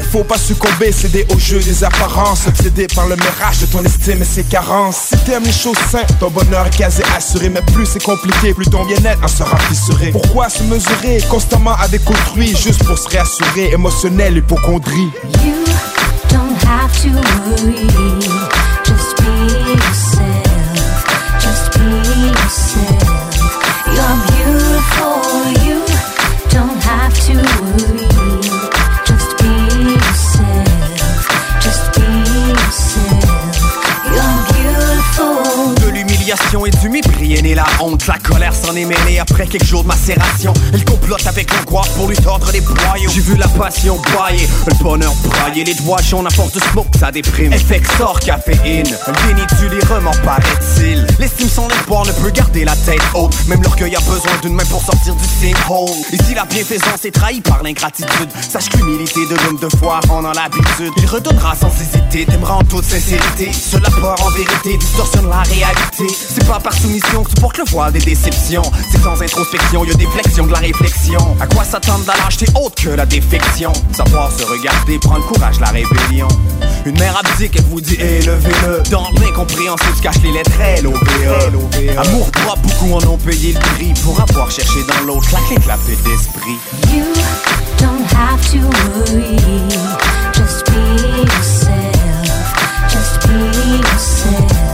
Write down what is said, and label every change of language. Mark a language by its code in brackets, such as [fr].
[fr] Faut pas succomber, céder au jeu des apparences. Obsédé par le mirage de ton estime et ses carences. Si t'aimes les choses saines, ton bonheur est quasi assuré. Mais plus c'est compliqué, plus ton bien-être en sera fissuré. Pourquoi se mesurer constamment avec autrui, juste pour se réassurer, émotionnel, hypocondrie. [en] You don't have to worry, just be yourself, just be yourself. You're beautiful, you don't have to worry, just be yourself, just be yourself. You're beautiful. [fr] De l'humiliation et du mépris. Il est né la honte, la colère s'en est mêlée après quelques jours de macération. Elle complote avec l'angoisse pour lui tordre des boyaux. J'ai vu la passion brailler, le bonheur brailler. Les doigts jaunes à force de smoke, ça déprime. Effet sort caféine, déni du lit, remords paraît-il. L'estime sans espoir ne peut garder la tête haute. Même l'orgueil a besoin d'une main pour sortir du sinkhole. Et si la bienfaisance est trahie par l'ingratitude, sache qu'humilité de l'homme de foi en a l'habitude. Il redonnera sans hésiter, t'aimera en toute sincérité. Cela peur en vérité, distorsionne la réalité. C'est pas par soumission tu portes le voile des déceptions. C'est sans introspection, y'a des flexions de la réflexion. À quoi s'attendre la lâcheté autre que la défection? Savoir se regarder, prendre courage, la rébellion. Une mère abdique, elle vous dit élevez-le. Dans l'incompréhensible, se cache les lettres L-O-V-E. Amour droit, beaucoup en ont payé le prix. Pour avoir cherché dans l'autre, la clé de la paix d'esprit. [en] You don't have to worry, just be yourself, just be yourself.